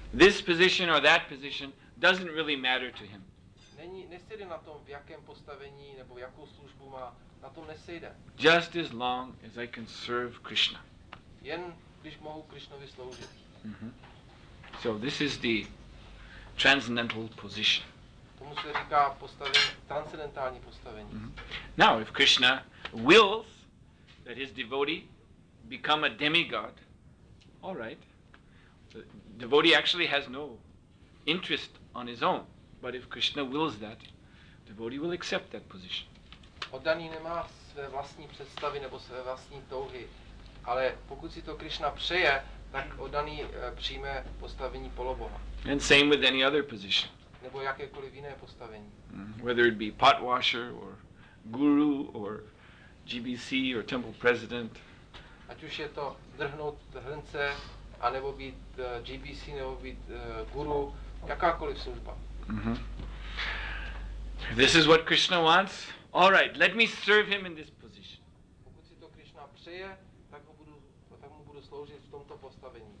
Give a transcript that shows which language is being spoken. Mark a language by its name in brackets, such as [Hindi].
[English] This position or that position doesn't really matter to him. [Czech] Není, nesejde na tom, v jakém postavení nebo jakou službu má, na tom nesejde. [English] Just as long as I can serve Krishna. [Czech] Jen když mohu Krishnovi sloužit. [English] Mm-hmm. So this is the transcendental position. [Czech] Tomu se říká postavení, transcendentální postavení. Mm-hmm. [English] Now, if Krishna wills that his devotee become a demigod, all right. The devotee actually has no interest on his own, but if Krishna wills that, the devotee will accept that position. [Czech] Oddaný nemá své vlastní představy nebo své vlastní touhy, ale pokud si to Krishna přeje, tak oddaný přijme postavení poloboha. [English] And same with any other position. [Czech] Nebo jakékoliv jiné postavení. [English] Whether it be pot washer or guru or GBC or temple president. [Czech] Ať už je to drhnout hrnce, anebo být GBC, nebo být guru, jakákoliv služba. Mm-hmm. [English] This is what Krishna wants. All right, let me serve him in this position. [Czech] Pokud si to Krishna přeje, tak mu budu sloužit v tomto postavení.